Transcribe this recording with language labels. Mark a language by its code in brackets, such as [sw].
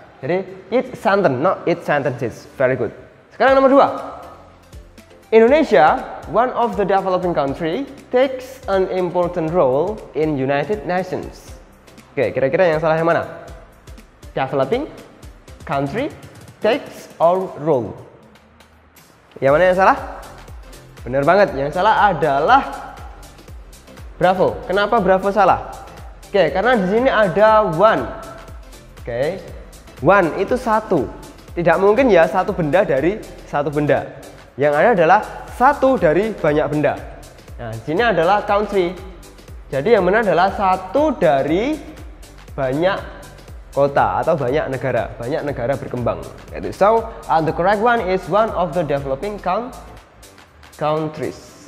[en] Jadi each sentence, not each sentences. Very good. [id] Sekarang nomor 2. [en] Indonesia, one of the developing country, takes an important role in United Nations. [id] Oke, kira-kira yang salah yang mana? [en] Developing country takes our role. [id] Yang mana yang salah? Benar banget, yang salah adalah bravo. Kenapa bravo salah? Oke, karena di sini ada one. Oke. One itu satu. Tidak mungkin ya satu benda dari satu benda. Yang ada adalah satu dari banyak benda. Nah, di sini adalah country. Jadi yang benar adalah satu dari banyak kota atau banyak negara berkembang. Itu. [en] So, the correct one is one of the developing countries.